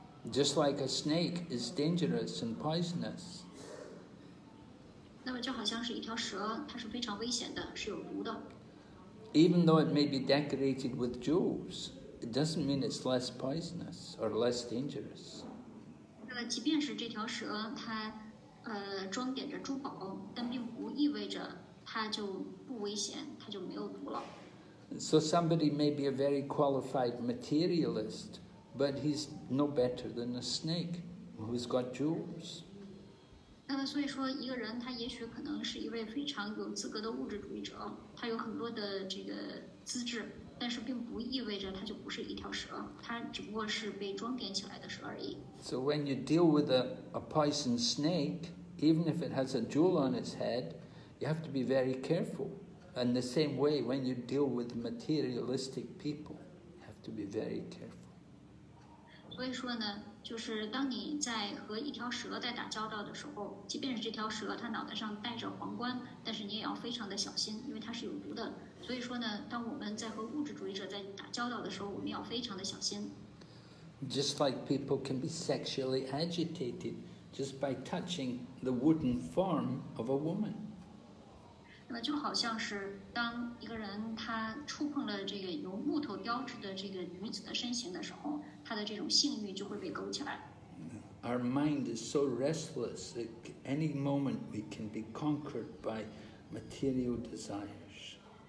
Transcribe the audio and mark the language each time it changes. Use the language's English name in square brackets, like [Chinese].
[English] Just like a snake is dangerous and poisonous. [Chinese] 那么就好像是一条蛇，它是非常危险的，是有毒的。 [English] Even though it may be decorated with jewels, it doesn't mean it's less poisonous or less dangerous. [Chinese] 即便是这条蛇，它装点着珠宝，但并不意味着它就不危险，它就没有毒了。 [English] So somebody may be a very qualified materialist. But he's no better than a snake who's got jewels. [Chinese] 那么所以说，一个人他也许可能是一位非常有资格的物质主义者，他有很多的这个资质，但是并不意味着他就不是一条蛇，他只不过是被装点起来的蛇而已。 [English] So when you deal with a poison snake, even if it has a jewel on its head, you have to be very careful. And the same way, when you deal with materialistic people, you have to be very careful. [Chinese] 所以说呢，就是当你在和一条蛇在打交道的时候，即便是这条蛇它脑袋上戴着皇冠，但是你也要非常的小心，因为它是有毒的。所以说呢，当我们在和物质主义者在打交道的时候，我们要非常的小心。 [English] Just like people can be sexually agitated just by touching the wooden form of a woman. [Chinese] 那么就好像是当一个人他触碰了这个由木头雕制的这个女子的身形的时候。 [English] Our mind is so restless that any moment we can be conquered by material desires.